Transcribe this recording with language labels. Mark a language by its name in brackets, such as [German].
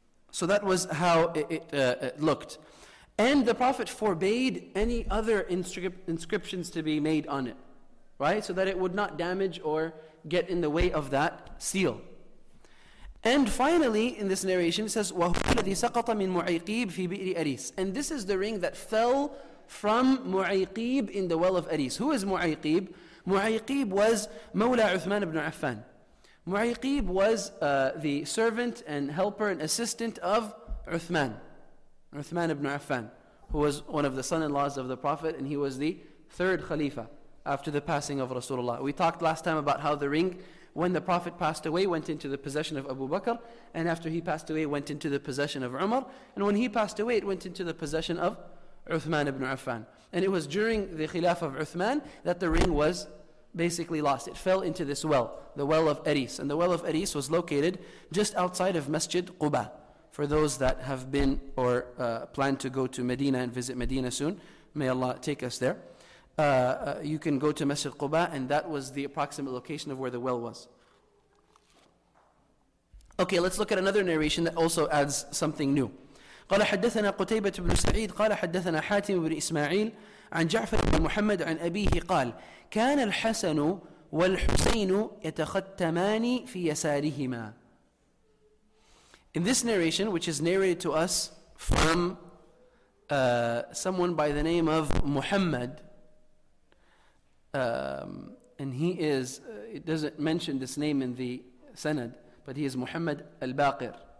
[English] So that was how it looked. And the Prophet forbade any other inscriptions to be made on it, right? So that it would not damage or get in the way of that seal. And finally, in this narration, it says, [Arabic] وَهُوَ الَّذِي سَقَطَ مِنْ مُعِيقِيبِ فِي بِئْرِ أَرِيسِ. [English] And this is the ring that fell from Mu'ayqib in the well of Aris. Who is Mu'ayqib? Mu'ayqib was Mawla Uthman ibn Affan. Mu'ayqib was the servant and helper and assistant of Uthman ibn Affan, who was one of the son-in-laws of the Prophet, and he was the third Khalifa after the passing of Rasulullah. We talked last time about how the ring, when the Prophet passed away, went into the possession of Abu Bakr, and after he passed away, went into the possession of Umar, and when he passed away, it went into the possession of Uthman ibn Affan. And it was during the Khilaf of Uthman that the ring was basically lost. It fell into this well, the well of Aris. And the well of Aris was located just outside of Masjid Quba, for those that have been or plan to go to Medina and visit Medina soon. May Allah take us there. You can go to Masjid Quba, and that was the approximate location of where the well was. Okay, let's look at another narration that also adds something new. [Arabic] قال حدثنا قتيبة بن سعيد قال حدثنا حاتم بن إسماعيل عن جعفر بن محمد عن أبيه قال كان الحسن والحسين يتختمان في يسارهما. [English] In this narration, which is narrated to us from someone by the name of Muhammad, and he is, it doesn't mention this name in the Sanad, but he is Muhammad al-Baqir.